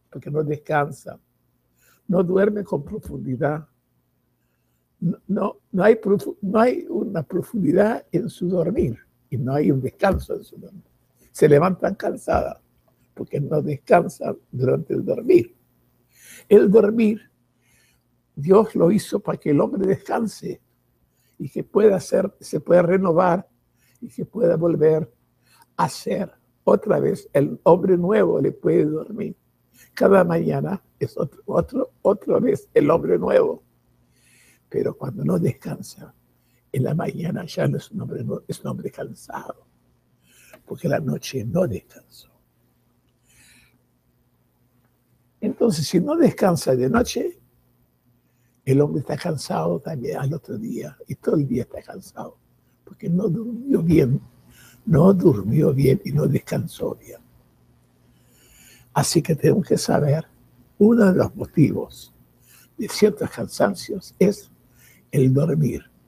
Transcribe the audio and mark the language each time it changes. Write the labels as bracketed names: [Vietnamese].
[Portuguese] Porque não descansam. Não dormem com profundidade. Não há uma profundidade em seu dormir. E não há descanso em seu dormir. Se levantam cansadas. Porque não descansam durante o dormir. [Spanish] O dormir, Deus lo hizo para que o homem descanse e que pueda ser, se pueda renovar e que pueda volver a ser outra vez. [Portuguese] O homem novo le puede dormir. Cada manhã é outra vez o homem novo. Mas quando não descansa, en la manhã já não é um homem novo, é um homem cansado. Porque la noche não descansou. [Spanish] Entonces, si no descansa de noche, el hombre está cansado también al otro día, y todo el día está cansado, porque no durmió bien, no durmió bien y no descansó bien. Así que tenemos que saber, uno de los motivos de ciertos cansancios es el dormir.